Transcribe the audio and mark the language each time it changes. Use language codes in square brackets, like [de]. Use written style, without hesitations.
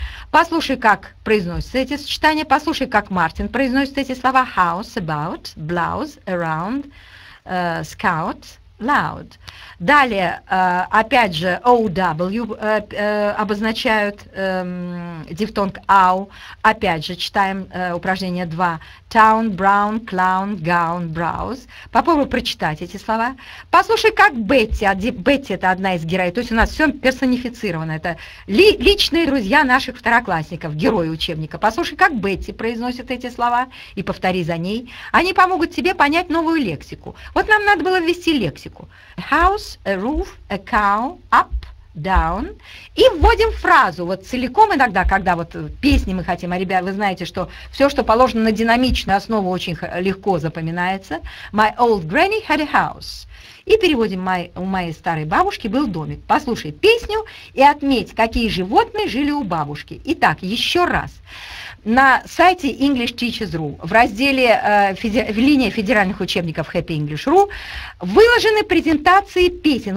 [ru] Послушай, как произносятся эти сочетания, послушай, как Мартин произносит эти слова [en] «house», «about», «blouse», «around», scout, loud. [ru] Далее, опять же, OW обозначают дифтонг OW. Опять же, читаем упражнение 2. [en] Town, brown, clown, gown, browse. [ru] Попробую прочитать эти слова. Послушай, как Бетти, Бетти это одна из героев, то есть у нас все персонифицировано, это личные друзья наших второклассников, герои учебника. Послушай, как Бетти произносит эти слова и повтори за ней. Они помогут тебе понять новую лексику. Вот нам надо было ввести лексику. [en] A house, a roof, a cow, up, down. [ru] И вводим фразу, вот целиком иногда, когда вот песни мы хотим, а ребята, вы знаете, что все, что положено на динамичную основу, очень легко запоминается. [en] My old granny had a house. [ru] И переводим, у моей старой бабушки был домик. Послушай песню и отметь, какие животные жили у бабушки. Итак, еще раз. На сайте EnglishTeachers.ru в разделе «Линия федеральных учебников Happy English.ru» выложены презентации песен.